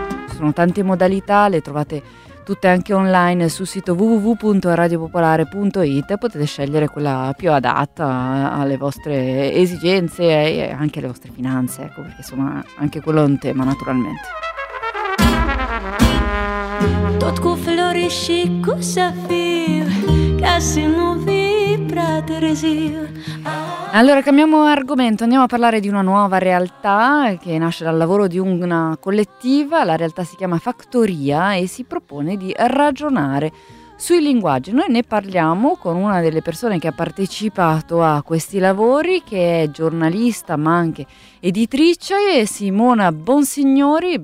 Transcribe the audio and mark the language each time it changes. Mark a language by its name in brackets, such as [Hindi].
[Italian] Ci sono tante modalità, le trovate tutte anche online sul sito www.radiopopolare.it. potete scegliere quella più adatta alle vostre esigenze e anche alle vostre finanze, ecco, perché insomma anche quello è un tema naturalmente. [Romanian] Tot cu flori și cu safir, ca si nu vibra târziu. [Italian] Allora, cambiamo argomento, andiamo a parlare di una nuova realtà che nasce dal lavoro di una collettiva. La realtà si chiama Factoria e si propone di ragionare sui linguaggi. Noi ne parliamo con una delle persone che ha partecipato a questi lavori, che è giornalista ma anche editrice, Simona Bonsignori.